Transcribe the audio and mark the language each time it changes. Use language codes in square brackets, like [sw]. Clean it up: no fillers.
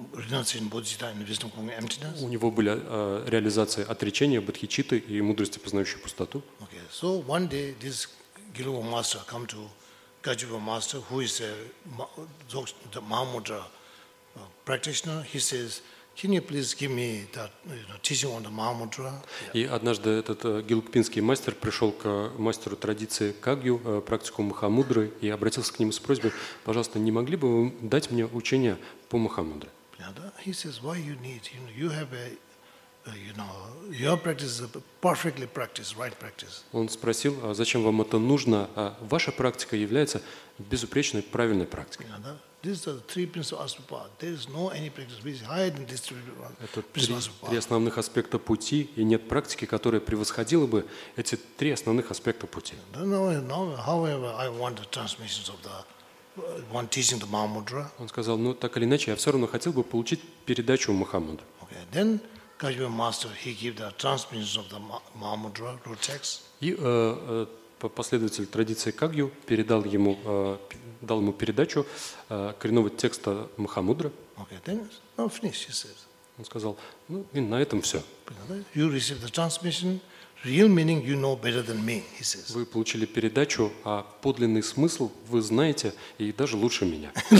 [ru] У него были реализации отречения, бодхичитты и мудрости, познающей пустоту. Okay. [en] So one day this Gelug master come to Gajubha master, who is a Mahamudra practitioner, he says, "Can you please give me that, you know, teaching on the Mahamudra?" [ru] И однажды этот гелугпинский мастер пришел к мастеру традиции Кагью, практику Махамудры, и обратился к нему с просьбой: "Пожалуйста, не могли бы вы дать мне учение по Махамудре?" [en] He says, "Why you need? You know, you have a, you know, your practice is perfectly practiced, right practice." [ru] Он спросил, зачем вам это нужно? Ваша практика является безупречной, правильной практикой. [en] These are the three principles of asubha. There is no any practice which is higher than these three principles of asubha. [ru] Это три основных аспекта пути, и нет практики, которая превосходила бы эти три основных аспекта пути. [en] However, I want the transmissions of the one teaching the Mahamudra. [ru] Он сказал, ну так или иначе, я все равно хотел бы получить передачу Махамудры. [en] Okay, then Gajubha master, he give the transmissions of the Mahamudra root text. [ru] И последователь традиции Кагью передал ему, дал ему передачу коренного текста Махамудры. [en] Okay, then now finish, he says. [ru] Он сказал, ну и на этом все. [en] You receive the transmission, Real meaning you know better than me, he says. [ru] Вы получили передачу, а подлинный смысл вы знаете и даже лучше меня.